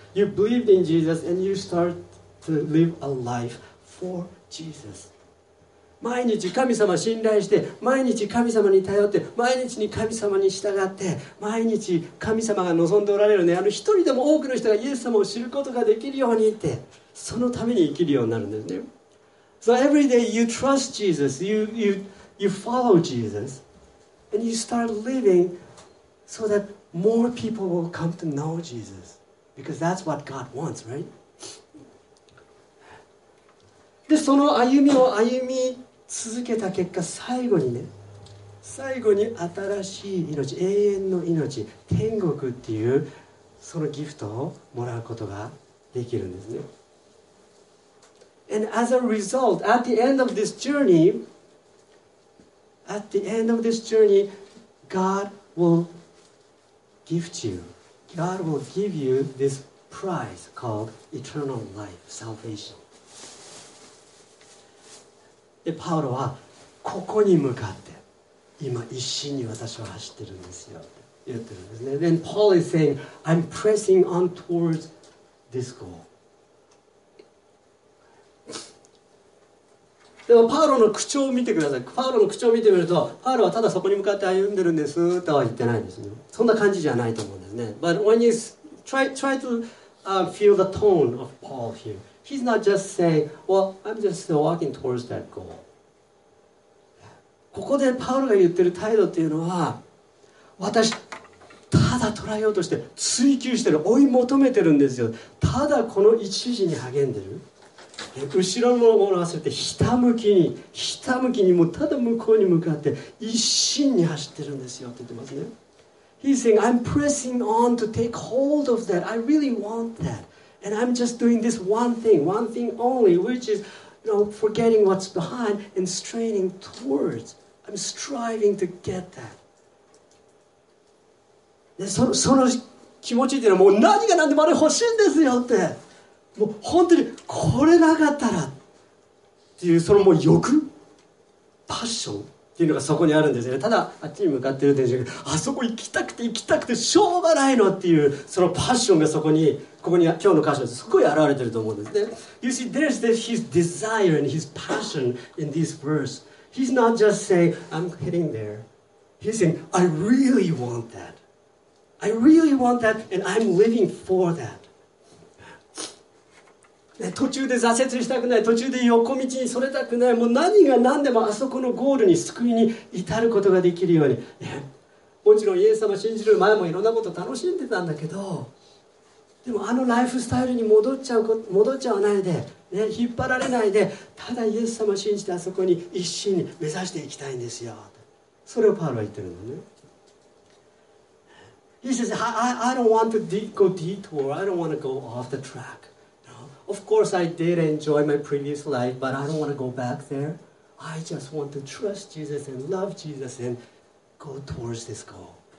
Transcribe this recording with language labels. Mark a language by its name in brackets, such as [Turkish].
[English] You believed in Jesus and you start to live a life for Jesus. [Japanese] 毎日神様信頼して、毎日神様に頼って、毎日に神様に従って、毎日神様が望んでおられるね、あの一人でも多くの人がイエス様を知ることができるようにって、そのために生きるようになるんですね。 [English] So every day you trust Jesus, you follow Jesus, and you start living so that more people will come to know Jesus. Because that's what God wants, right? [Japanese] で、その歩みを歩み続けた結果、最後にね、最後に新しい命、永遠の命、天国っていうそのギフトをもらうことができるんですね。 [English] And as a result, at the end of this journey, at the end of this journey, God will gift you. God will give you this prize called eternal life, salvation. [Japanese] で、パウロはここに向かって今一心に私は走ってるんですよって言ってるんですね。 [English] Then Paul is saying, I'm pressing on towards this goal. [Japanese] でもパウロの口調を見てください。パウロの口調を見てみると、パウロはただそこに向かって歩んでるんですとは言ってないんですね。そんな感じじゃないと思うんですね。 [English] But when you try to feel the tone of Paul here, he's not just saying, well, I'm just still walking towards that goal. [Japanese] ここでパウロが言ってる態度っていうのは、私、ただ捉えようとして追求してる、追い求めてるんですよ。ただこの一時に励んでる。後ろのものを忘れてひたむきにもうただ向こうに向かって一心に走ってるんですよって言ってますね。 [English] He's saying, I'm pressing on to take hold of that. I really want that. And I'm just doing this one thing only, which is, you know, forgetting what's behind and straining towards. I'm striving to get that. [Japanese] で、その気持ちっていうのはもう何が何でもあれ欲しいんですよって。もう本当にこれなかったらっていうそのもう欲パッションっていうのがそこにあるんですよね。ただあっちに向かってるっていうあそこ行きたくて行きたくてしょうがないのっていうそのパッションがそこにここに今日の箇所ですごい現れてると思うんですね。 [English] You see, there's this, his desire and his passion in this verse. He's not just saying, I'm heading there. He's saying, I really want that. I really want that and I'm living for that. [Japanese] 途中で挫折したくない、途中で横道にそれたくない、もう何が何でもあそこのゴールに救いに至ることができるように、ね、もちろんイエス様信じる前もいろんなこと楽しんでたんだけど、でもあのライフスタイルに戻っちゃわないで、ね、引っ張られないで、ただイエス様信じてあそこに一心に目指していきたいんですよ。それをパウロは言ってるのね。 [English] He says, I don't want to go detour. I don't want to go off the track. Of course, I did enjoy my previous life, but I don't want to go back there. I just want to trust Jesus and love Jesus and go towards this goal.